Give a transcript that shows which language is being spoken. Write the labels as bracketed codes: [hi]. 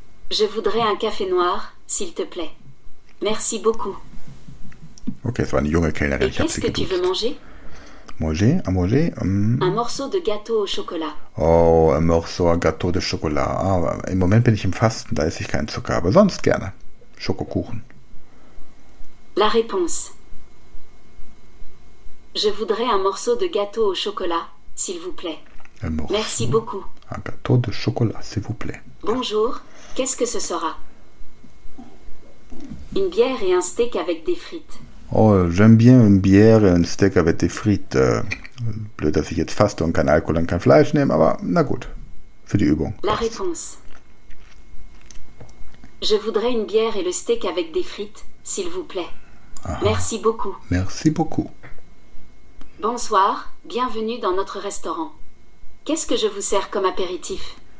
[fr] Je voudrais un café noir, s'il te plaît. Merci beaucoup. Ok, c'est une jeune Kellnerin. Et qu'est-ce que tu veux manger? Manger, à manger. Un morceau de gâteau au chocolat. Oh, un morceau de gâteau au chocolat. [de] Ah, im Moment bin ich im Fasten, da esse ich keinen Zucker, aber sonst gerne. Schokokuchen. [fr] La réponse. Je voudrais un morceau de gâteau au chocolat, s'il vous plaît. Merci beaucoup. Un gâteau de chocolat, s'il vous plaît. Bonjour, qu'est-ce que ce sera? Une bière et un steak avec des frites. Oh, j'aime bien une bière et un steak avec des frites. [de] Blöd, dass ich jetzt faste und kein Alkohol und kein Fleisch nehme, aber na gut, für die Übung. [fr] La réponse. Je voudrais une bière et le steak avec des frites, s'il vous plaît. Aha. Merci beaucoup. Merci beaucoup. Bonsoir, bienvenue dans notre restaurant. Qu'est-ce que je vous sers comme apéritif?